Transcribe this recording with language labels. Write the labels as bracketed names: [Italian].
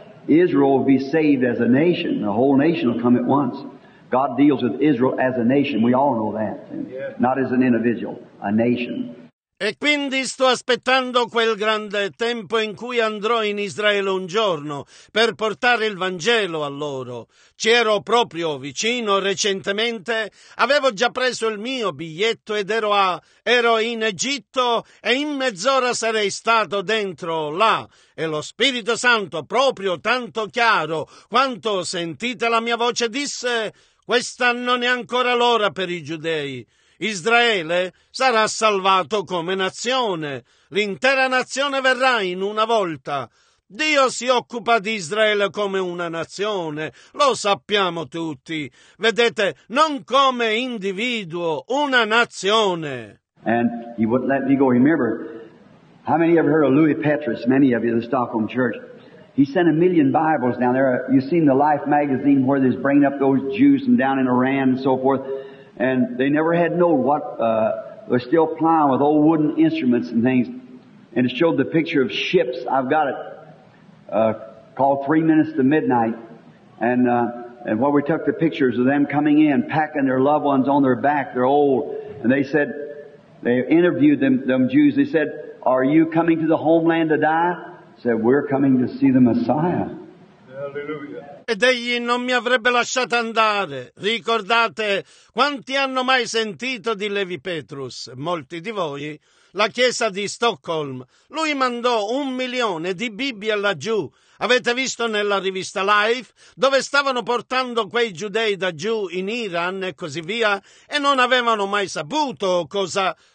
[English] Israel will be saved as a nation. The whole nation will come at once. God deals with Israel as a nation. We all know that. Not as an individual, a nation." [Italian] E quindi sto aspettando quel grande tempo in cui andrò in Israele un giorno per portare il Vangelo a loro. Ci ero proprio vicino recentemente, avevo già preso il mio biglietto ed ero in Egitto e in mezz'ora sarei stato dentro là. E lo Spirito Santo, proprio tanto chiaro quanto sentite la mia voce, disse: «Questa non è ancora l'ora per i giudei. Israele sarà salvato come nazione. L'intera nazione verrà in una volta. Dio si occupa di Israele come una nazione. Lo sappiamo tutti. Vedete, non come individuo, una nazione». [English] And he wouldn't let me go. Remember, how many have heard of Louis Petrus? Many of you in the Stockholm Church. He sent 1 million Bibles down there. You've seen the Life magazine where they're bringing up those Jews from down in Iran and so forth. And they never had known what, they're still plowing with old wooden instruments and things. And it showed the picture of ships. I've got it, called 3 Minutes to Midnight. And what we took the pictures of them coming in, packing their loved ones on their back, they're old. And they said, they interviewed them Jews. They said, "Are you coming to the homeland to die?" I said, "We're coming to see the Messiah." Hallelujah. [Italian] Ed egli non mi avrebbe lasciato andare. Ricordate, quanti hanno mai sentito di Levi Petrus? Molti di voi. La chiesa di Stockholm. Lui mandò 1 milione di Bibbie laggiù. Avete visto nella rivista Life dove stavano portando quei giudei da giù in Iran e così via e non avevano mai saputo cosa...